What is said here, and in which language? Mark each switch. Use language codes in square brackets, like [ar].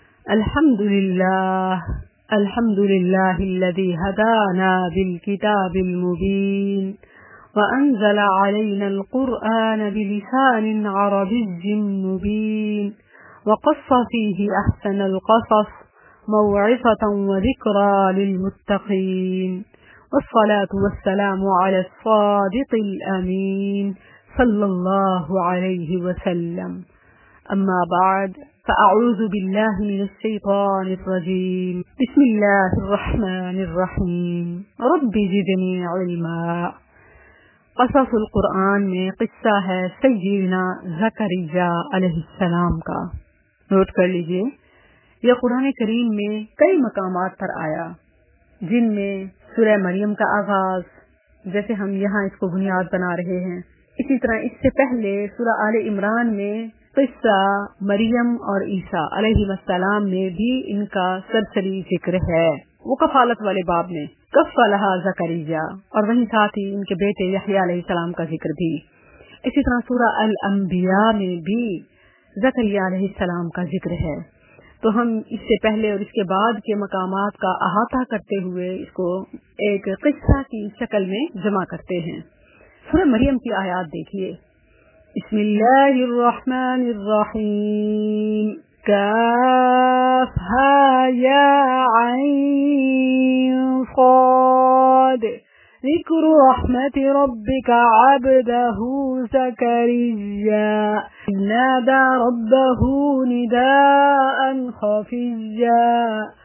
[ar] الحمد لله، الحمد لله الذي هدانا بالكتاب المبين وأنزل علينا القرآن بلسان عربي مبين وقص فيه أحسن القصص موعظة وذكرى للمتقين، والصلاة والسلام على الصادق الأمين صلى الله عليه وسلم. أما بعد، فأعوذ بالله من الشيطان الرجيم، بسم الله الرحمن الرحيم. رب زدني علما. [ur] قصص القرآن میں قصہ ہے سیدنا زکریا علیہ السلام کا. نوٹ کر لیجئے، یہ قرآن کریم میں کئی مقامات پر آیا، جن میں سورہ مریم کا آغاز، جیسے ہم یہاں اس کو بنیاد بنا رہے ہیں، اسی طرح اس سے پہلے سورہ آل عمران میں قصہ مریم اور عیسیٰ علیہ السلام میں بھی ان کا سرسری ذکر ہے، وہ کفالت والے باب میں کفالہ زکریہ، اور وہیں ساتھ ہی ان کے بیٹے یحییٰ علیہ السلام کا ذکر بھی. اسی طرح سورہ الانبیاء میں بھی زکریہ علیہ السلام کا ذکر ہے. تو ہم اس سے پہلے اور اس کے بعد کے مقامات کا احاطہ کرتے ہوئے اس کو ایک قصہ کی شکل میں جمع کرتے ہیں. سورہ مریم کی آیات دیکھیے. [ar] بسم اللہ الرحمن الرحیم. کافھا یا عین صاد ذکر رحمت ربک عبدہ زکریا نادا ربہ نداء خفیا